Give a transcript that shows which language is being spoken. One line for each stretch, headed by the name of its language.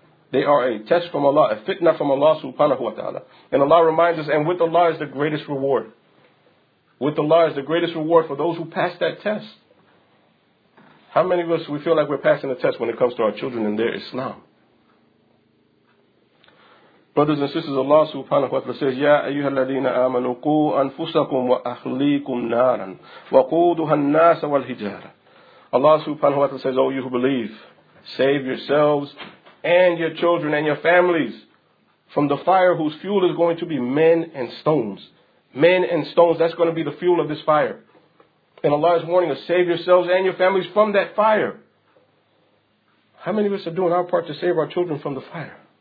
English: They are a test from Allah, a fitna from Allah subhanahu wa ta'ala. And Allah reminds us, and with Allah is the greatest reward. With Allah is the greatest reward for those who pass that test. How many of us, we feel like we're passing a test when it comes to our children and their Islam? Brothers and sisters, Allah subhanahu wa ta'ala says,
Arabic: يَا أَيُّهَا الَّذِينَ آمَنُوا قُوا أَنفُسَكُمْ وَأَهْلِيكُمْ نَارًا وَقُودُهَا النَّاسَ وَالْحِجَارَةَ.
English: Allah subhanahu wa ta'ala says, oh, you who believe, save yourselves and your children and your families from the fire whose fuel is going to be men and stones. Men and stones, that's going to be the fuel of this fire. And Allah is warning us, save yourselves and your families from that fire. How many of us are doing our part to save our children from the fire?